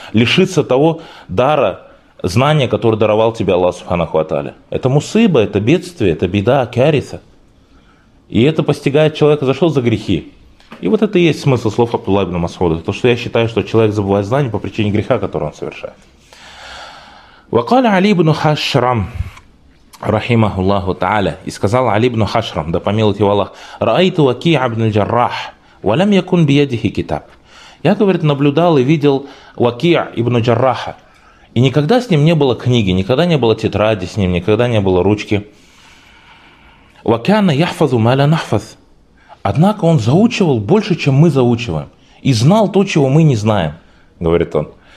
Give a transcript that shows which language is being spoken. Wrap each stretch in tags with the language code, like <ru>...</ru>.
<ru>Лишиться того дара, знания, которое даровал тебе Аллах Субханаху ва Тааля. Это мусиба, это бедствие, это беда, кариса. И это постигает человека за что? За грехи. И вот это и есть смысл слов Абдулла ибн Масуда. То, что я считаю, что человек забывает знания по причине греха, который он совершает.</ru> <ar>وقال علي بن حشرم رحمه الله تعالى</ar> <ru>сказал</ru> <ar>علي بن حشرم</ar> <ru>да помилует его Аллах</ru> <ar>رأيت وكيع بن الجراح ولم يكن بيده كتاب.</ar> <ru>Я, говорит, наблюдал и видел وكيع ибн Джарраха, и никогда с ним не было книги, никогда не было тетради с ним, никогда не было ручки.</ru> <ar>وكان يحفظ ما لا نحفظ.</ar> <ru>Однако он заучивал больше, чем мы заучиваем, и знал то, чего мы не знаем, говорит он.</ru>